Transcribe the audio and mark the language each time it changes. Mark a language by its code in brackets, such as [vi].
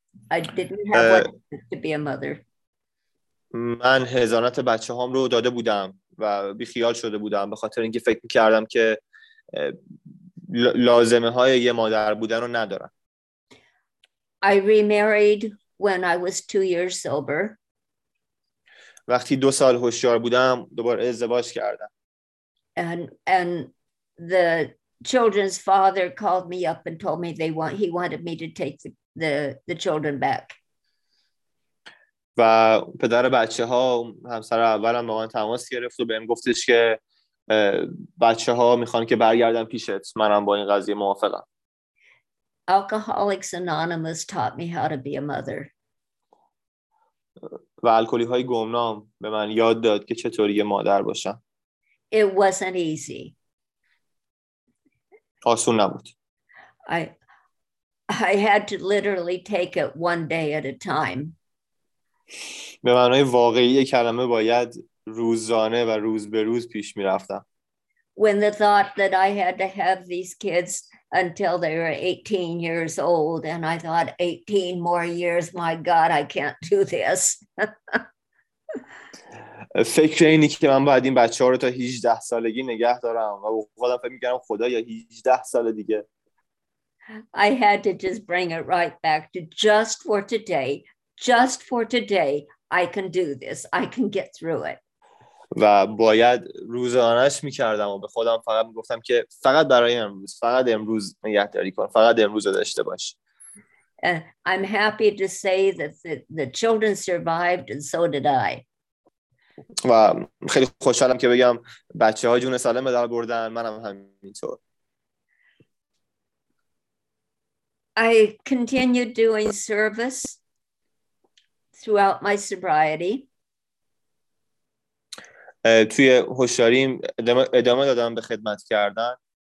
[en] I didn't have what to be a mother. [fa] من حضانت بچه هام رو داده بودم و بیخیال شده بودم به خاطر اینکه فکر کردم که لازمه های یه مادر بودن رو ندارم. [en] I remarried when I was 2 years sober. [fa] وقتی 2 سال هوشیار بودم دوباره ازدواج کردم. [en] And the children's father called me up and told me he wanted me to take the children back. [fa] و پدر بچه ها همسر اولم با من تماس گرفت و بهم گفتش که بچه ها میخوان که برگردم پیشت. منم با این قضیه موافقم. [en] Alcoholics Anonymous taught me how to be a mother. [fa] و الکلی های گمنام به من یاد داد که چطوری مادر باشم. [en] It wasn't easy. [fa] آسون نبود. [en] I had to literally take it one day at a time. [fa] به معنای واقعی کلمه باید روزانه و روز به روز پیش می‌رفتم. [en] When the thought that I had to have these kids until they were 18 years old and I thought 18 more years, my God, I can't do this. [fa] فکر اینی که من باید این بچه ها رو تا 18 سالگی نگه دارم و خودم فکر می‌کردم خدا یا 18 سال دیگه. [en] I had to just bring it right back to just for today. Just for today, I can do this. I can get through it. [fa] و باید روزانش می‌کردم و به خودم فقط می‌گفتم که فقط برای امروز، فقط امروز نگهداری کن، فقط امروز داشته باش. [en] I'm happy to say that the children survived and so did I. [fa] و خیلی خوشحالم که بگم بچه‌ها جون سالم به در بردن، منم همینطور. [en] I continued doing service throughout my sobriety. [fa] توی هوشیاریم ادامه دادم به خدمت کردن.